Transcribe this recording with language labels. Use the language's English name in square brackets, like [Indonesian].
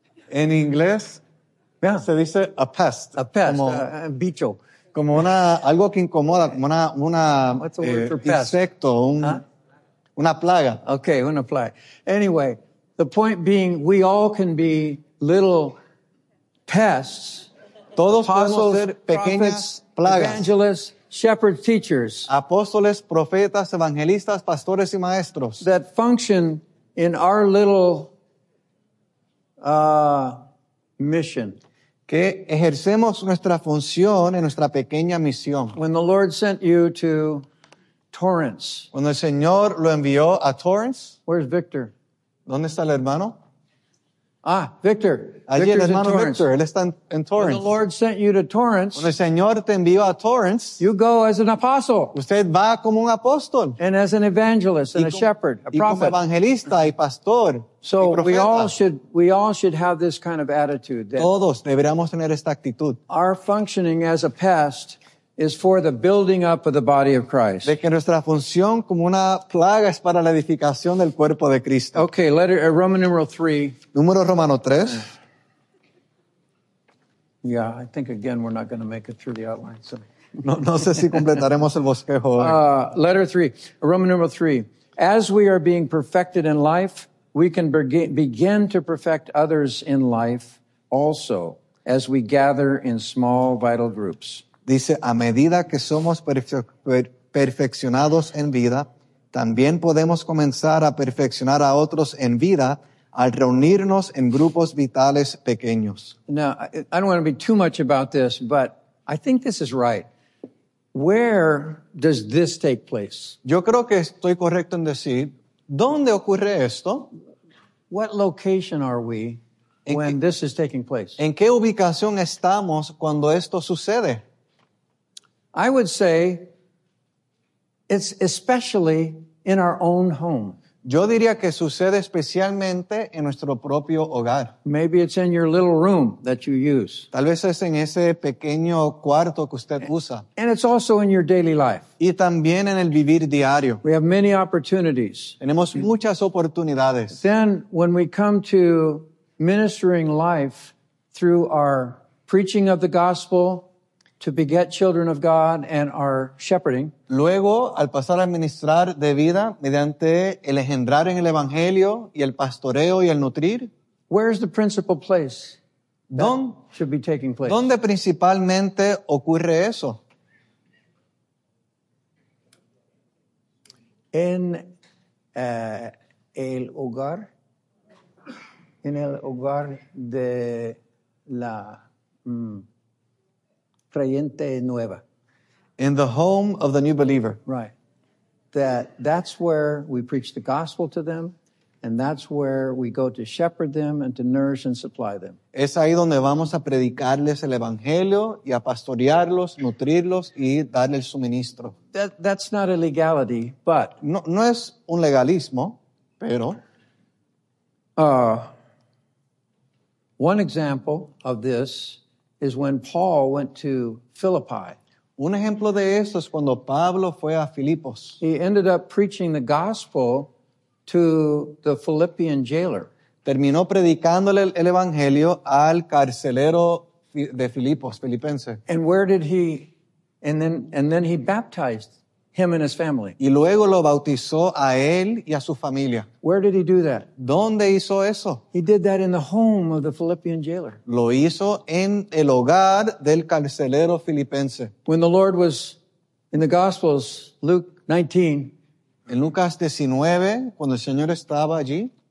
[Spanish] En inglés, [English] yeah. [Spanish] Se dice a pest. A pest, como, a bicho. Como una, algo que incomoda, como una insecto, una plaga. Okay, una plaga. [English] Anyway, the point being, we all can be little pests. [Spanish] Todos podemos ser pequeñas plagas. [English] Evangelists, shepherds, teachers. [Spanish] Apóstoles, profetas, evangelistas, pastores y maestros. [English] That function in our little mission. [Spanish] Que ejercemos nuestra función en nuestra pequeña misión. [English] When the Lord sent you to Torrance. [Spanish] Cuando el Señor lo envió a Torrance. [English] Where's Victor? [Spanish] ¿Dónde está el hermano? [English] Ah, Victor. [Spanish] Allí el hermano Victor, él está en Torrance. [English] When the Lord sent you to Torrance. [Spanish] Cuando el Señor te envió a Torrance. [English] You go as an apostle. [Spanish] Usted va como un apóstol. [English] And as an evangelist and a shepherd, a prophet. [Spanish] Y como evangelista y pastor. [English] So we all should have this kind of attitude. That [Spanish] todos deberíamos tener esta actitud. [English] Our functioning as a pest is for the building up of the body of Christ. [Spanish] De que nuestra función como una plaga es para la edificación del cuerpo de Cristo. [English] Okay, letter Roman numeral 3. [Spanish] Número romano 3. [English] Yeah, I think again we're not going to make it through the outline. So. [Spanish] No sé si completaremos el bosquejo. [English] Letter 3, Roman numeral 3. As we are being perfected in life, we can begin to perfect others in life also as we gather in small vital groups. [Spanish] Dice, a medida que somos perfeccionados en vida, también podemos comenzar a perfeccionar a otros en vida al reunirnos en grupos vitales pequeños. [English] Now, I don't want to be too much about this, but I think this is right. Where does this take place? [Spanish] Yo creo que estoy correcto en decir, ¿dónde ocurre esto? [English] What location are we when this is taking place? [Spanish] ¿En qué ubicación estamos cuando esto sucede? [English] I would say it's especially in our own home. [Spanish] Yo diría que sucede especialmente en nuestro propio hogar. [English] Maybe it's in your little room that you use. [Spanish] Tal vez es en ese pequeño cuarto que usted usa. [English] And it's also in your daily life. [Spanish] Y también en el vivir diario. [English] We have many opportunities. [Spanish] Tenemos muchas oportunidades. [English] Then when we come to ministering life through our preaching of the gospel, to beget children of God and our shepherding. [Spanish] Luego, al pasar a ministrar de vida mediante el engendrar en el evangelio y el pastoreo y el nutrir, [English] where is the principal place? [Spanish] ¿Dónde [English] should be taking place? [Spanish] ¿Dónde principalmente ocurre eso? En el hogar. En el hogar de la creyente nueva. [English] In the home of the new believer. Right. That's where we preach the gospel to them, and that's where we go to shepherd them and to nourish and supply them. [Spanish] Es ahí donde vamos a predicarles el evangelio y a pastorearlos, nutrirlos y darles el suministro. [English] That's not a legality, but [Spanish] no es un legalismo, pero [English] one example of this is when Paul went to Philippi. [Spanish] Un ejemplo de eso es cuando Pablo fue a Filipos. [English] He ended up preaching the gospel to the Philippian jailer. [Spanish] Terminó predicándole el evangelio al carcelero de Filipos, filipense. [English] And where did he? And then he baptized him and his family. [Spanish] Y luego lo bautizó a él y a su familia. [English] Where did he do that? [Spanish] ¿Dónde hizo eso? [English] He did that in the home of the Philippian jailer. [Spanish] Lo hizo en el hogar del carcelero filipense. [English] When the Lord was in the Gospels, Luke 19. [Spanish] En Lucas 19, cuando el Señor estaba allí,